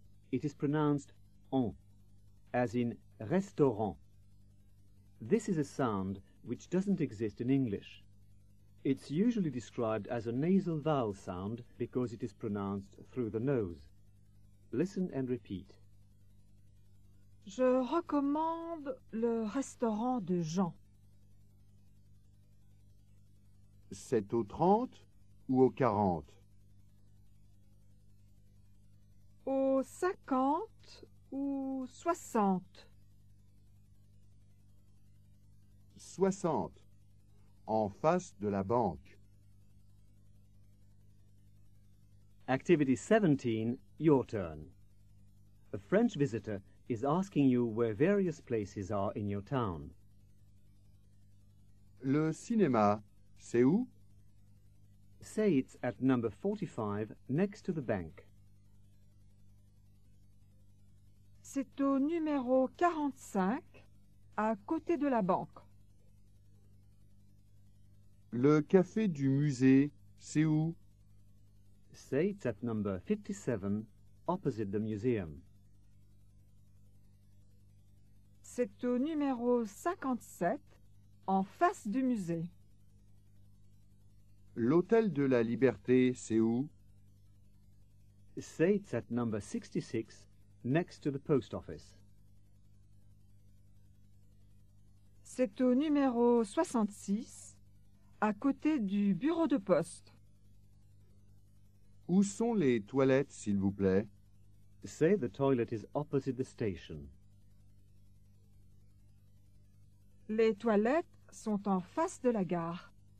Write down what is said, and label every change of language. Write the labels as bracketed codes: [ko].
[en] It is pronounced en, as in restaurant. This is a sound which doesn't exist in English. It's usually described as a nasal vowel sound because it is pronounced through the nose. Listen and repeat. [fr] Je recommande le restaurant de Jean. C'est au 30 ou au 40? Au 50 ou 60? 60. En face de la banque. [en] Activity 17, your turn. A French visitor is asking you where various places are in your town. [fr] Le cinéma, c'est où? [en] Say it's at number 45, next to the bank. [fr] C'est au numéro 45, à côté de la banque. Le café du musée, c'est où? [en] Say it's at number 57, opposite the museum. [fr] C'est au numéro 57, en face du musée. L'hôtel de la Liberté, c'est où? [en] Say it's at number 66, next to the post office. [fr] C'est au numéro 66. À côté du bureau de poste. Où sont les toilettes, s'il vous plaît? [en] Say the toilet is opposite the station. [fr] Les toilettes sont en face de la gare.